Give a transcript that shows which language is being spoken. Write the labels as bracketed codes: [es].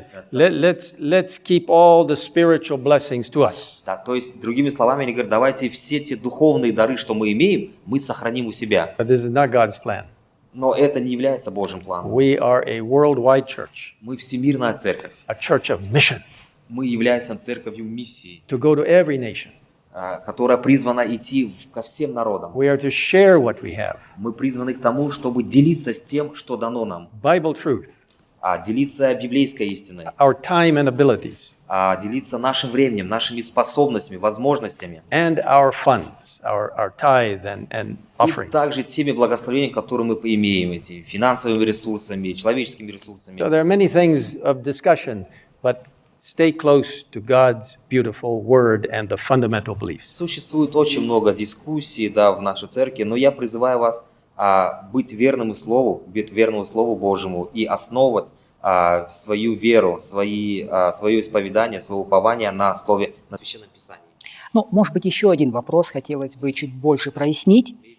[en] Let's keep all the spiritual blessings to us. [ru] Да, то есть другими словами, они говорят, давайте все те духовные дары, что мы имеем, мы сохраним у себя. [en] But this is not God's plan. [ru] Но это не является Божьим планом. [en] We are a worldwide church. [ru] Мы всемирная церковь. [en] A church of mission. [ru] Мы являемся церковью миссии. [en] To go to every nation. [ru] Которая призвана идти ко всем народам. [en] We are to share what we have. [ru] Мы призваны к тому, чтобы делиться с тем, что дано нам. [en] Bible truth. [ru] Делиться библейской истиной. [en] Our time and abilities. [ru] Делиться нашим временем, нашими способностями, возможностями. [en] And our funds, our tithe and offerings. [ru] И также теми благословениями, которые мы имеем, эти финансовыми ресурсами, человеческими ресурсами. [en] So there are many things of discussion, but stay close to God's beautiful word and the fundamental beliefs. [ru] Существует очень много дискуссий, да, в нашей церкви, но я призываю вас быть верным Слову Божьему и основывать свою веру, свое исповедание, свое упование на Слове, на Священном Писании. Ну, может быть, еще один вопрос хотелось бы чуть больше прояснить.